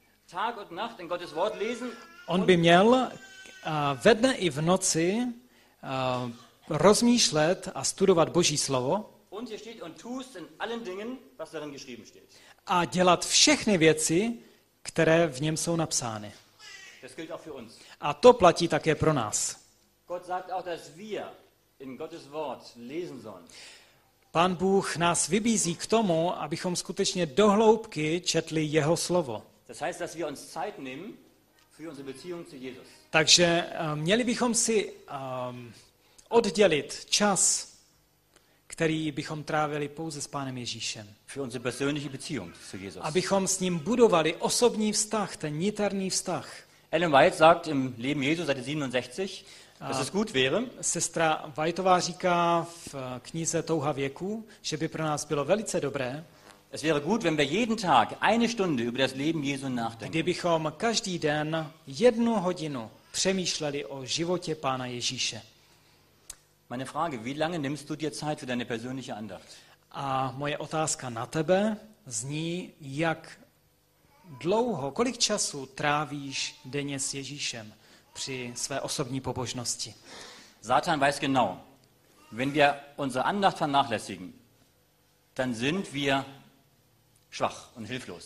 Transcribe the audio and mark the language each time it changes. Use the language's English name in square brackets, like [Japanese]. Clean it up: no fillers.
[German] Tag und Nacht in Gottes Wort lesen. [Czech] On by měl ve dne i v noci rozmýšlet a studovat Boží slovo. [German] Und hier steht und tust in allen Dingen, was darin geschrieben steht. [Czech] A dělat všechny věci, které v něm jsou napsány. [German] Das gilt auch für uns. [Czech] A to platí také pro nás. [German] Gott sagt auch, dass wir in Gottes Wort lesen sollen. [Czech] Pán Bůh nás vybízí k tomu, abychom skutečně do hloubky četli jeho slovo. [German] Das heißt, dass wir uns Zeit nehmen für unsere Beziehung zu Jesus. [Czech] Takže měli bychom si oddělit čas, který bychom trávili pouze s Pánem Ježíšem. [German] Für unsere persönliche Beziehung zu Jesus. [Czech] Abychom s ním budovali osobní vztah, ten niterný vztah. [German] Ellen White sagt im Leben Jesu seit 67, dass es gut wäre. [Czech] Sestra Whiteová říká v knize Touha věku, že by pro nás bylo velice dobré. [German] Es wäre gut, wenn wir jeden Tag eine Stunde über das Leben Jesu nachdenken. [Czech] Kdybychom každý den jednu hodinu přemýšleli o životě Pána Ježíše. [German] Meine Frage, wie lange nimmst du dir Zeit für deine persönliche Andacht? [Czech] A moje otázka na tebe zní, jak dlouho, kolik času trávíš denně s Ježíšem při své osobní pobožnosti? [German] Satan weiß genau, wenn wir unsere Andacht vernachlässigen, dann sind wir schwach und hilflos.